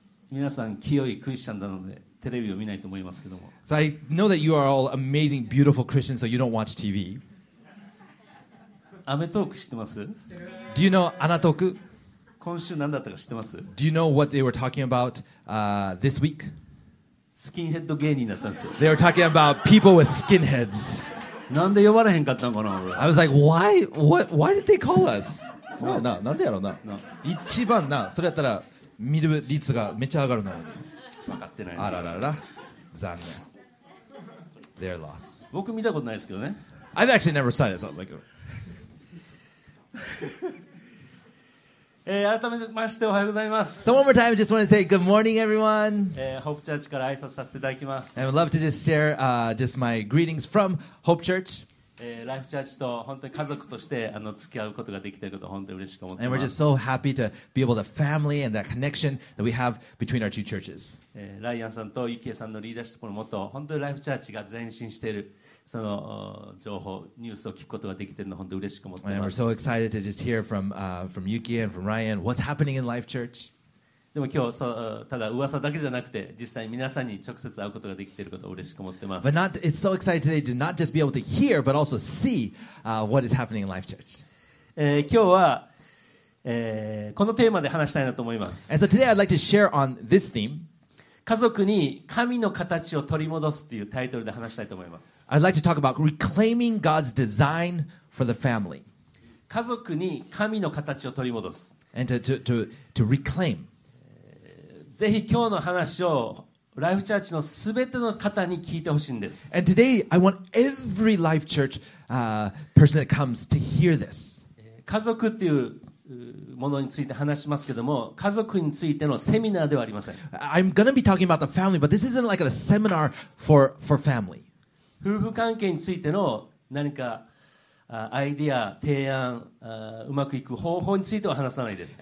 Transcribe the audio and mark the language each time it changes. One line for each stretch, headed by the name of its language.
Japanese: 皆さん清いクリスチャンなのでテレビを見ないと思いますけども、
English: So I know that you are all amazing beautiful Christians, so you don't watch TV。
Japanese: アメトーク知ってます？
English: Do you know アナトーク？
Japanese: 今週何だったか知ってます？
English: Do you know what they were talking about this week？
Japanese: スキンヘッド芸人だったんですよ。
English: They were talking about people with skinheads
Japanese: なんで呼ばれへんかったのかな。
English: I was like, why? What? Why did they call us?
Japanese: そうな、なんでやろうな。一番な、それやったら見る率がめっちゃ上がるな。分かってない、ね。あららら、残念。
English: Their loss。
Japanese: 僕見たことないですけどね。
English: I've actually never seen it. So like.
Japanese: 改めましておはようございます。
English: So one more time, I just want to say good morning, everyone.
Japanese: Hope Church から挨拶させていただきます。
English: I would love to just share just my greetings from Hope Church.
Japanese: Life Church と本当に家族として付き合うことができていること本当に嬉しく思っています。
English: And we're just so happy to be able to family and that connection that we have between our two churches.
Japanese: ライアンさんとユキエさんのリーダーシップのもと、本当に Life Church が前進している。その情報ニュースを聞くことができているのを本当に嬉しく思っています。
English: We're so excited to just hear from, from Yuki and from Ryan what's happening in Life Church。
Japanese: でも今日そただ噂だけじゃなくて実際に皆さんに直接会うことができていることを嬉しく思っています。
English: But not, it's so exciting today to not just be able to hear but also see what is happening in Life Church。
Japanese: 今日は、このテーマで話したいなと思います。
English: And so today I'd like to share on this theme。
Japanese: 家族に神の形を取り戻すというタイトルで話したいと思います。
English: I'd like to talk about reclaiming God's design for the family.
Japanese: 家族に神の形を取り戻す。
English: And to reclaim.
Japanese: ぜひ今日の話をライフチャーチのすべての方に聞いてほしいんです。
English: And today, I want every Life Church person that comes to hear this.
Japanese: 家族っていうものについて話しますけども、家族についてのセミナーではありません。
English: I'm gonna be talking about the family, but this isn't like a seminar for family.
Japanese: 夫婦関係についての何かアイデア、提案、うまくいく方法については話さないです。